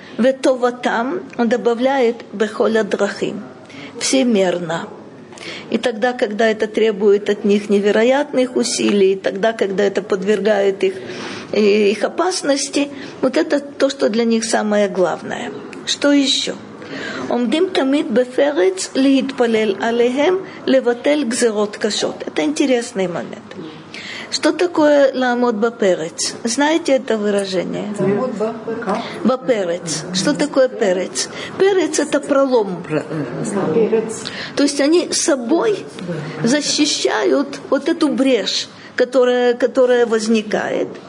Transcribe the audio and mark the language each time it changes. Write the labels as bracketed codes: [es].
[ru] Ветова там, он добавляет [he] бехоля драхим. [ru] Всемерно. И тогда, когда это требует от них невероятных усилий, тогда, когда это подвергает их опасности, вот это то, что для них самое главное. Что еще? [he] עומדים תמיד בפרץ להתפלל עליהם לבטל גזרות קשות. [ru] Это интересный момент. Что такое ламот баперец? Знаете это выражение? Ламот баперец. Баперец. Что такое перец? Перец это пролом. То есть они собой защищают вот эту брешь, которая возникает.